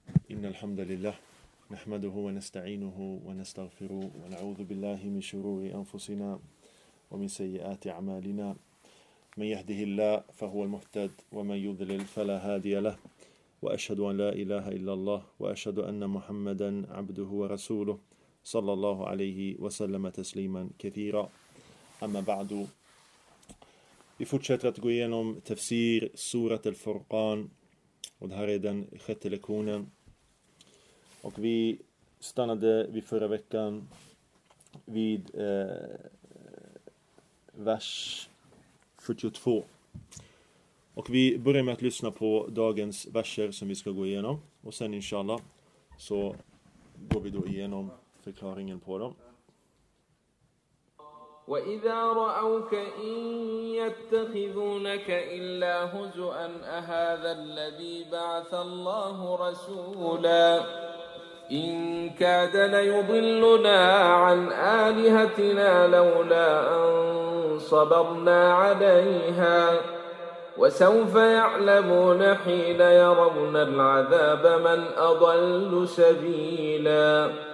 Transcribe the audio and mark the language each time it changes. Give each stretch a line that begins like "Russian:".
Arabic: إن الحمد لله نحمده ونستعينه ونستغفره ونعوذ بالله من شرور أنفسنا ومن سيئات أعمالنا. من يهده الله فهو المهتد ومن يضلل فلا هادي له. وأشهد أن لا إله إلا الله وأشهد أن محمدا عبده ورسوله صلى الله عليه وسلم تسليما كثيرا. أما بعد,
Swedish: vi fortsätter att gå igenom tafsir surat al-Furqan, och det här är den sjätte lektionen. Och vi stannade vid förra veckan vid vers 42. Och vi börjar med att lyssna på dagens verser som vi ska gå igenom. Och sen inshallah så går vi då igenom förklaringen på dem.
Arabic: وَإِذَا رَأَوْكَ إِنْ يَتَّخِذُونَكَ إِلَّا هُزُؤًا أَهَذَا الَّذِي بَعَثَ اللَّهُ رَسُولًا إِنْ كَادَ لَيُضِلُّنَا عَنْ آلِهَتِنَا لَوْلَا أَنْ صَبَرْنَا عَلَيْهَا وَسَوْفَ يَعْلَمُونَ حِينَ يَرَوْنَ الْعَذَابَ مَنْ أَضَلُّ سَبِيلًا